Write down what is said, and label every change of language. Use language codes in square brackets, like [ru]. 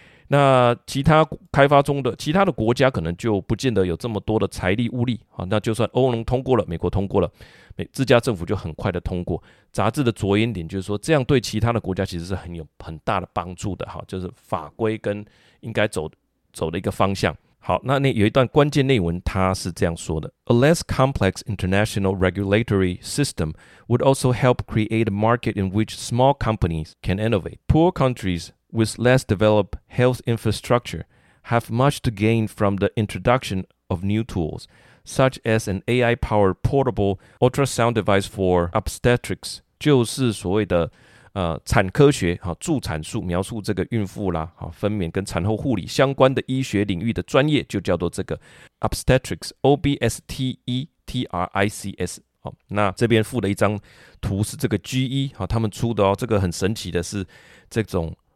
[zh] 那其他开发中的其他的国家可能就不见得有这么多的财力物力、啊、那就算欧盟通过了，美国通过了，自家政府就很快的通过。杂志的着眼点就是说这样对其他的国家其实是很大的帮助的、啊、就是法规跟应该走的一个方向。好，那有一段关键内文它是这样说的， [en] A less complex international regulatory system would also help create a market in which small companies can innovate. Poor countriesWith less developed health infrastructure, have much to gain from the introduction of new tools, such as an AI-powered portable ultrasound device for obstetrics. [zh] 就是所谓的产科学哈、啊、助产术，描述这个孕妇啦、啊、分娩跟产后护理相关的医学领域的专业，就叫做这个 obstetrics, obstetrics. 好，那这边附的一张图是这个 GE 哈、啊、他们出的哦，这个很神奇的是这种。